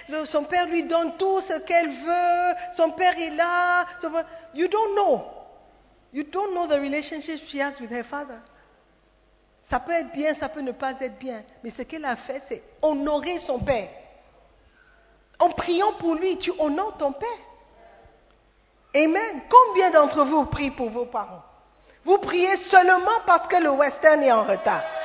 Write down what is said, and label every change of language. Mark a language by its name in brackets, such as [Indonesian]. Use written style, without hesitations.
[French] Son père lui donne tout ce qu'elle veut. Son père est là. [English] You don't know. You don't know the relationship she has with her father. [French] Ça peut être bien, ça peut ne pas être bien. Mais ce qu'elle a fait, c'est honorer son père. En priant pour lui, tu honores ton père. Amen. Combien d'entre vous prient pour vos parents? Vous priez seulement parce que le Western est en retard.